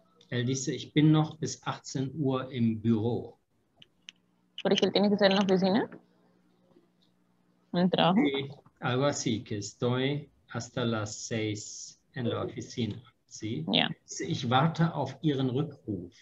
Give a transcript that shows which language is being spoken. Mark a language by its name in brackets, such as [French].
[German] Elise, ich bin noch bis 18 Uhr im Büro. [Spanish] Porque tiene que ser en la oficina. En el trabajo. Algo así, que estoy hasta las 6 en la oficina. ¿Sí? Yeah. [German] Ich warte auf Ihren Rückruf.